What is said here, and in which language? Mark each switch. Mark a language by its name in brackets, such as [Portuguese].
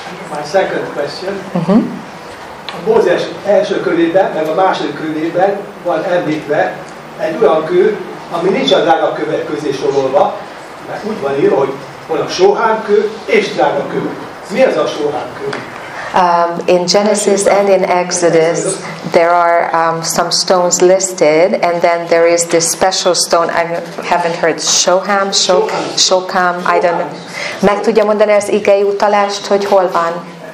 [English] My second question. [Hungarian] Mózes első könyvében, meg a második könyvében van említve egy olyan kő, ami nincs a drága kövek közé sorolva, mert úgy van írva, hogy van a sóhán kő és drága kő. Mi az a sóhán kő? [English] In Genesis and in Exodus, there are some stones listed, and then there is this special stone. I haven't heard Shoham, Shokham. I don't know. [Hungarian] Meg tudja mondani az igei utalást, hogy hol van?